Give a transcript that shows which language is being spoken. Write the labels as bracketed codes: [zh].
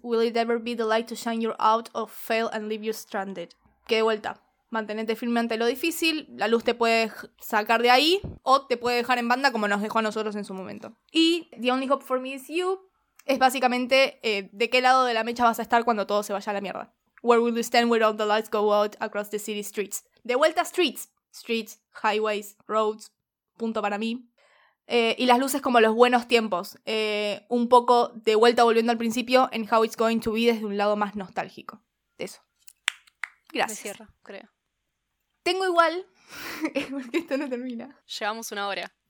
[en] Will it ever be the light to shine you out of fail and leave you stranded? [es] Que de vuelta. Mantenete firme ante lo difícil. La luz te puede sacar de ahí. O te puede dejar en banda como nos dejó a nosotros en su momento. Y The Only Hope for Me Is You es básicamente de qué lado de la mecha vas a estar cuando todo se vaya a la mierda. [en] Where will you stand when all the lights go out across the city streets? [es] De vuelta [en] streets. Streets, highways, roads. [es] Punto para mí. Y las luces como los buenos tiempos, un poco de vuelta volviendo al principio en How It's Going to Be desde un lado más nostálgico. Eso. Gracias. Me cierro, creo. Tengo igual, porque esto no termina. Llevamos una hora.